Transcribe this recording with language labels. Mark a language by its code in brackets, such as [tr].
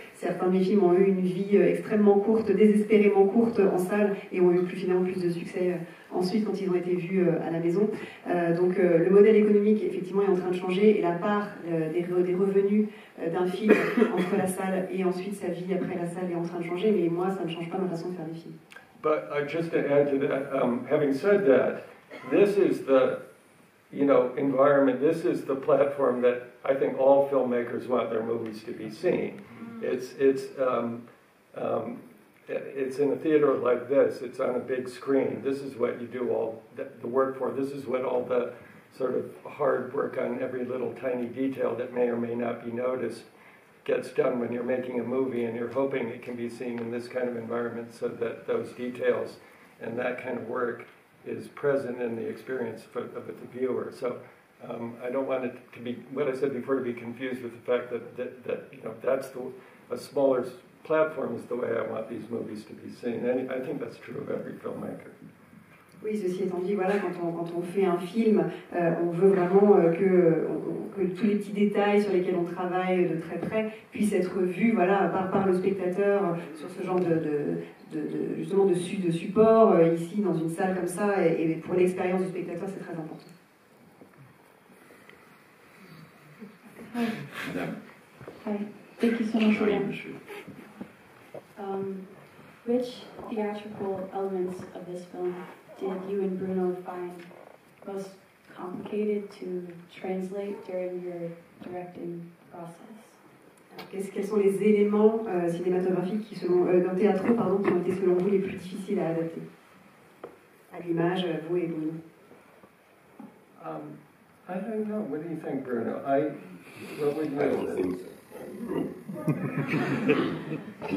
[fr] Certains de mes films ont eu une vie extrêmement courte, désespérément courte en salle et ont eu plus de succès ensuite quand ils ont été vus à la maison. Le modèle économique, effectivement, est en train de changer et la part des revenus d'un film entre la salle et ensuite sa vie après la salle est en train de changer, mais moi, ça ne change pas ma façon de faire des films. [en] But just to add to that, having said that, this is the, you know, environment, this is the platform that I think all filmmakers want their movies to be seen. It's in a theater like this, it's on a big screen. This is what you do all the work for. This is what all the sort of hard work on every little tiny detail that may or may not be noticed gets done when you're making a movie, and you're hoping it can be seen in this kind of environment so that those details and that kind of work is present in the experience of the viewer. So I don't want it to be, what I said before, to be confused with the fact that you know, that's the, a smaller platform is the way I want these movies to be seen. And I think that's true of every filmmaker. [fr] Oui, ceci étant dit, voilà, quand on fait un film, on veut vraiment que tous les petits détails sur lesquels on travaille de très près puissent être vus, voilà, par le spectateur sur ce genre de support ici dans une salle comme ça, et pour l'expérience du spectateur, c'est très important. Madame. [en] Hi. Thank you so much. Which theatrical elements of this film did you and Bruno find most complicated to translate during your directing process? [fr] Quels sont les éléments cinématographiques qui selon dans théâtre pardon qui ont été selon vous les plus difficiles à adapter à l'image, vous et Bruno? [en] I don't know. What do you think, Bruno? I probably know. I don't think so.